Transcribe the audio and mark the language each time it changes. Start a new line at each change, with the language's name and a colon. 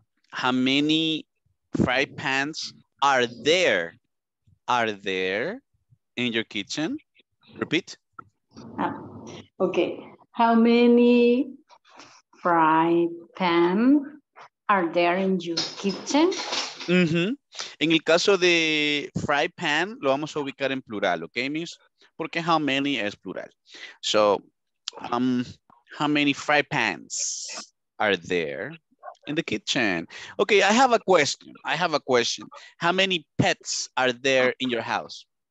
English: How many fry pans are there? Are there in your kitchen? Repeat. Okay. How many fry pans are there in your kitchen? Mm-hmm.
Spanish: En el caso de fry pan, lo vamos a ubicar en plural, okay, miss? Porque
English: how many
Spanish: es plural.
English: So, how many fry pans are there in the kitchen? Okay, I have a question. I have a question. How many pets are there in your house?